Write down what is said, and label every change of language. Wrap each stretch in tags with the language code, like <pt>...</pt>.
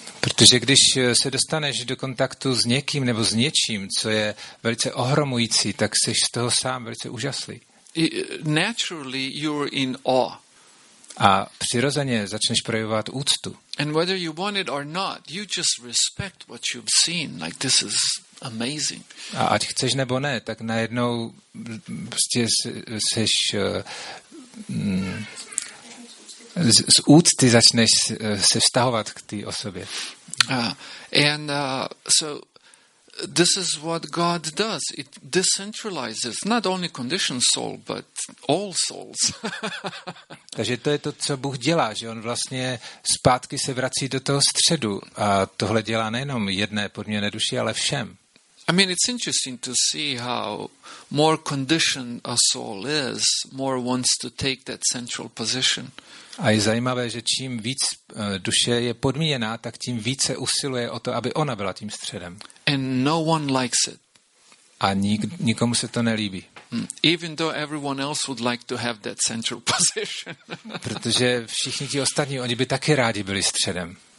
<cs>Protože když se dostaneš do kontaktu s někým nebo s něčím, co je velice ohromující, tak jsi z toho sám velice úžasný.</cs> <en>Naturally you're in awe.</en> <cs>A přirozeně začneš projevovat úctu.</cs> <en>And whether you want it or not, you just respect what you've seen, like this is amazing.</en> <cs>A ať chceš nebo ne, tak najednou prostě seš z úcty začneš se vztahovat k té osobě.</cs> <en>So this is what God does. It decentralizes not only conditioned soul, but all souls.</en> <cs>Takže to je to, co Bůh dělá, že on vlastně zpátky se vrací do toho středu a tohle dělá nejenom jedné podmíněné duši, ale všem.</cs> <en>I mean, it's interesting to see how more conditioned a soul is, more wants to take that central position.</en> <cs>A je zajímavé, že čím víc duše je podmíněná, tak tím více usiluje o to, aby ona byla tím středem.</cs> <en>And no one likes it.</en> <cs>A nikomu se to nelíbí.</cs> <en>Even though everyone else would like to have that central position.</en> <cs>Protože všichni ti ostatní, oni by taky rádi byli středem.</cs>